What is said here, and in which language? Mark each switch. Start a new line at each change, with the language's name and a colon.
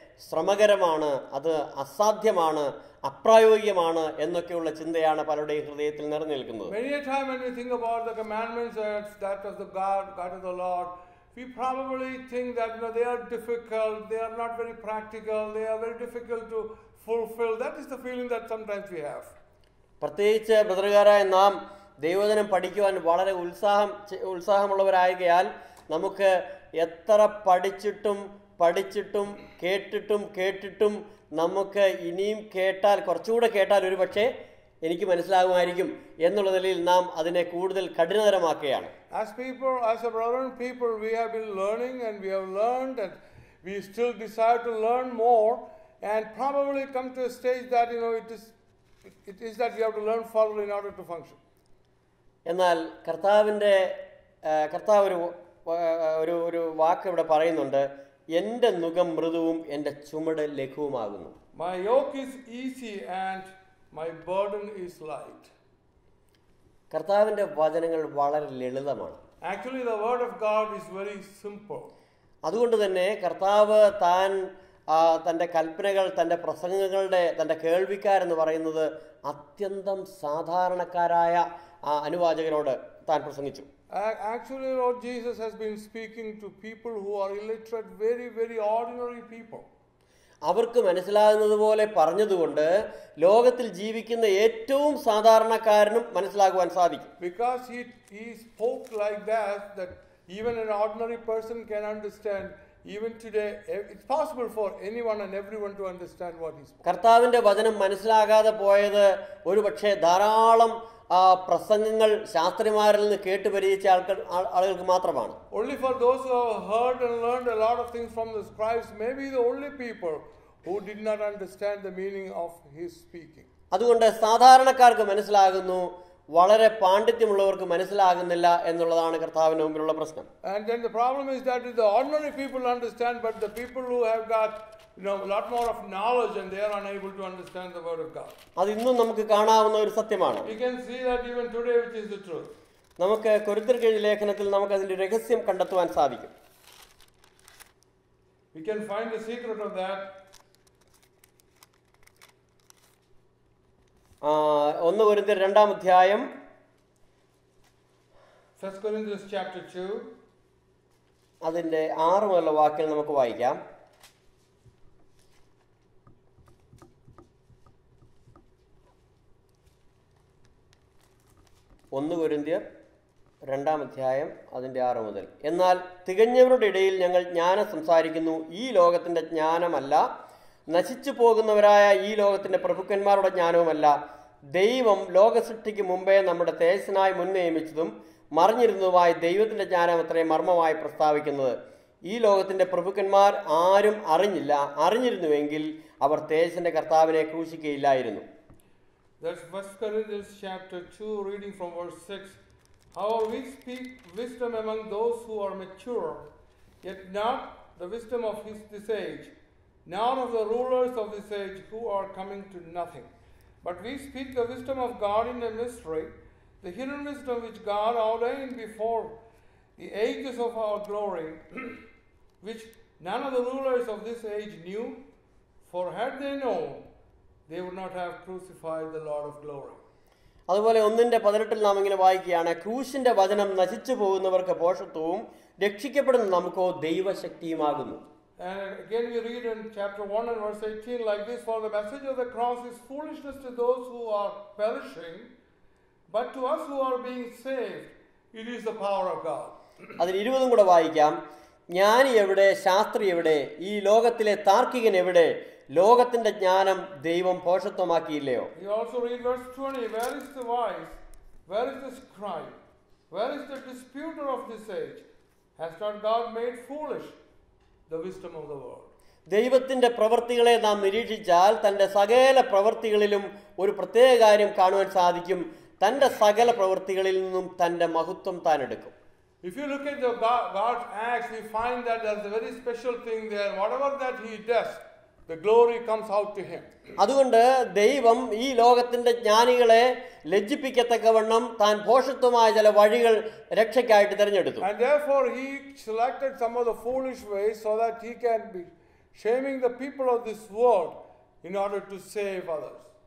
Malayalam: ശ്രമകരമാണ്, അത് അസാധ്യമാണ്, അപ്രായോഗികമാണ് എന്നൊക്കെയുള്ള ചിന്തയാണ് പലരുടെയും ഹൃദയത്തിൽ നിറഞ്ഞുനിൽക്കുന്നത്.
English: Many a time when we think about the commandments that of the God of the Lord, we probably think that, you know, they are difficult, they are not very practical, they are very difficult to fulfill. That is the feeling that sometimes we have.
Malayalam: പ്രത്യേകിച്ച് ബ്രദർഗാരായ നാം ദൈവവചനം പഠിക്കുവാൻ വളരെ ഉത്സാഹമുള്ളവരായകയാൽ നമുക്ക് എത്ര പഠിച്ചിട്ടും കേട്ടിട്ടും നമുക്ക് ഇനിയും കേട്ടാൽ, കുറച്ചുകൂടെ കേട്ടാൽ ഒരു പക്ഷേ എനിക്ക് മനസ്സിലാകുമായിരിക്കും എന്നുള്ള നിലയിൽ നാം അതിനെ കൂടുതൽ കഠിനതരമാക്കുകയാണ്.
English: As people, as a brother and people, we have been learning and we have learned and we still desire to learn more and probably come to a stage that, you know, it is that we have to learn further in order to function.
Malayalam: എന്നാൽ കർത്താവിൻ്റെ കർത്താവ് ഒരു ഒരു വാക്ക് ഇവിടെ പറയുന്നുണ്ട്, എൻ്റെ നുകം മൃദുവും എൻ്റെ ചുമട് ലഘുവുമാകുന്നു.
English: My yoke is easy and my burden is light.
Malayalam: കർത്താവിൻ്റെ വചനങ്ങൾ വളരെ ലളിതമാണ്.
English: Actually the word of God is very simple.
Malayalam: അതുകൊണ്ട് തന്നെ കർത്താവ് താൻ തൻ്റെ കൽപ്പനകൾ തൻ്റെ പ്രസംഗങ്ങളുടെ തൻ്റെ കേൾവിക്കാരെന്ന് പറയുന്നത് അത്യന്തം സാധാരണക്കാരായ ആ അനുവാചകനോട് താൻ പ്രസംഗിച്ചു.
English: Actually Lord Jesus has been speaking to people who are illiterate, very very ordinary people.
Malayalam: അവർക്ക് മനസ്സിലാകുന്നതുപോലെ പറഞ്ഞതുകൊണ്ട് ലോകത്തിൽ ജീവിക്കുന്ന ഏറ്റവും സാധാരണക്കാരനും മനസ്സിലാക്കുവാൻ സാധിക്കും.
English: Because he spoke like that even an ordinary person can understand. Even today it's possible for anyone and everyone to understand what he spoke.
Malayalam: കർത്താവിന്റെ വചനം മനസ്സിലാകാതെ പോയത് ഒരുപക്ഷേ ധാരാളം പ്രസംഗങ്ങൾ ശാസ്ത്രിമാരിൽ നിന്ന് കേട്ട് പരിചയിച്ച ആളുകൾക്ക് മാത്രമാണ്.
English: Only for those who have heard and learned a lot of things from the scribes may be the only people who did not understand the meaning of his speaking.
Malayalam: അതുകൊണ്ട് സാധാരണക്കാർക്ക് മനസ്സിലാകുന്നു, വളരെ പാണ്ഡിത്യമുള്ളവർക്ക് മനസ്സിലാകുന്നില്ല എന്നുള്ളതാണ് കർത്താവിന്റെ മുമ്പിലുള്ള പ്രശ്നം.
English: And then the problem is that the ordinary people understand, but the people who have got, you know, a lot more of knowledge and they are unable to understand the word of God.
Malayalam: അതിന്നും നമുക്ക് കാണാവുന്ന ഒരു സത്യമാണ്.
English: We can see that even today, which is the truth.
Malayalam: നമുക്ക് കൊരിന്ത്യരുടെ ലേഖനത്തിൽ നമുക്ക് അതിന്റെ രഹസ്യം കണ്ടെത്തുവാൻ സാധിക്കും.
English: We can find the secret of that.
Malayalam: ഒന്ന് കൊരിന്ത്യർ രണ്ടാം അധ്യായം.
English: First Corinthians chapter 2.
Malayalam: അതിന്റെ ആറ് മുതലുള്ള വാക്കുകൾ നമുക്ക് വായിക്കാം. ഒന്ന് കൊരിന്ത്യർ രണ്ടാം അധ്യായം അതിന്റെ ആറ് മുതൽ. എന്നാൽ തികഞ്ഞവരുടെ ഇടയിൽ ഞങ്ങൾ ജ്ഞാനം സംസാരിക്കുന്നു, ഈ ലോകത്തിന്റെ ജ്ഞാനമല്ല, നശിച്ചു പോകുന്നവരായ ഈ ലോകത്തിന്റെ പ്രഭുക്കന്മാരുടെ ജ്ഞാനവുമല്ല. ദൈവം ലോകസൃഷ്ടിക്ക് മുമ്പേ നമ്മുടെ തേജസ്സിനായി മുൻ നിയമിച്ചതും മറിഞ്ഞിരുന്നതുമായി ദൈവത്തിന്റെ ജ്ഞാനം അത്രയും മർമ്മമായി പ്രസ്താവിക്കുന്നത്. ഈ ലോകത്തിന്റെ പ്രഭുക്കന്മാർ ആരും അറിഞ്ഞില്ല, അറിഞ്ഞിരുന്നുവെങ്കിൽ അവർ തേജസ്സിന്റെ കർത്താവിനെ ക്രൂശിക്കുകയില്ലായിരുന്നു.
English: That's First Corinthians chapter 2, reading from verse 6. How we speak wisdom among those who are mature, yet not the wisdom of this age, nor of the rulers of this age who are coming to nothing. But we speak the wisdom of God in a mystery, the hidden wisdom which God ordained before the ages of our glory, which none of the rulers of this age knew, for had they known, they would not have crucified the Lord of glory.
Malayalam: അതുപോലെ ഒന്നിന്റെ പതിനെട്ടിൽ നാം ഇങ്ങനെ വായിക്കുകയാണ്, ക്രൂശിന്റെ വചനം നശിച്ചു പോകുന്നവർക്ക് പോഷത്വവും രക്ഷിക്കപ്പെടുന്ന നമുക്കോ ദൈവശക്തിയുമാകുന്നു.
English: And again we read in chapter 1 and verse 18 like this, for the message of the cross is foolishness to those who are perishing, but to us who are being saved it is the power of God.
Malayalam: അതിൽ 20 കൂടെ വായിക്കാം. ജ്ഞാനി എവിടെ, ശാസ്ത്രി എവിടെ, ഈ ലോകത്തിലെ താർക്കികൻ എവിടെ, ലോകത്തിന്റെ ജ്ഞാനം ദൈവം പോഷത്വമാക്കിയില്ലയോ.
English: We also read verse 20, where is the wise, where is the scribe, where is the disputer of this age, has not God made foolish the wisdom of the world.
Malayalam: ദൈവത്തിന്റെ പ്രവൃത്തികളെ നാം നിരീക്ഷിച്ചാൽ തന്റെ സകല പ്രവൃത്തികളിലും ഒരു പ്രത്യേക കാര്യം കാണുവാൻ സാധിക്കും, തന്റെ സകല പ്രവൃത്തികളിൽ നിന്നും തന്റെ മഹത്വം താൻ എടുക്കും.
English: If you look at the God's acts, we find that there's a very special thing there. Whatever that he does, the glory comes out to him.
Malayalam: അതുകൊണ്ട് ദൈവം ഈ ലോകത്തിന്റെ ജ്ഞാനികളെ ലജ്ജിപ്പിക്കത്തക്കവണ്ണം താൻ പോഷത്വമായ ചില വഴികൾ രക്ഷയ്ക്കായിട്ട് തിരഞ്ഞെടുത്തു.
English: And therefore he selected some of the foolish ways so that he can be shaming the people of this world in order to save others